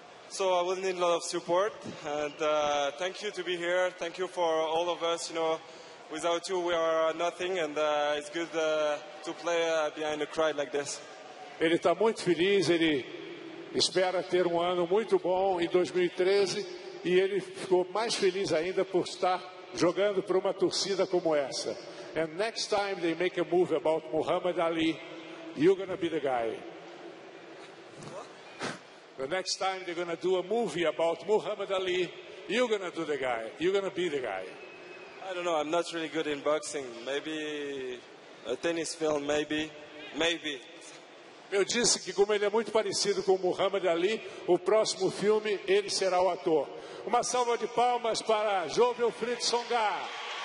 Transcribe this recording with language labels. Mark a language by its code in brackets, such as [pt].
[en] So I will need a lot of support, and thank you to be here. Thank you for all of us, you know. Without you, we are nothing, and it's good to play behind a crowd like this. [pt] Ele está muito feliz. Ele espera ter ano muito bom em 2013, e ele ficou mais feliz ainda por estar jogando para uma torcida como essa. [en] And next time they make a move about Muhammad Ali, you're gonna be the guy. The next time they're gonna do a movie about Muhammad Ali, you're gonna do the guy. You're gonna be the guy. I don't know, I'm not really good in boxing. Maybe a tennis film, maybe. Maybe. [pt] Eu disse que como ele é muito parecido com Muhammad Ali, o próximo filme ele será o ator. Uma salva de palmas para Jovem Fritz Tsonga.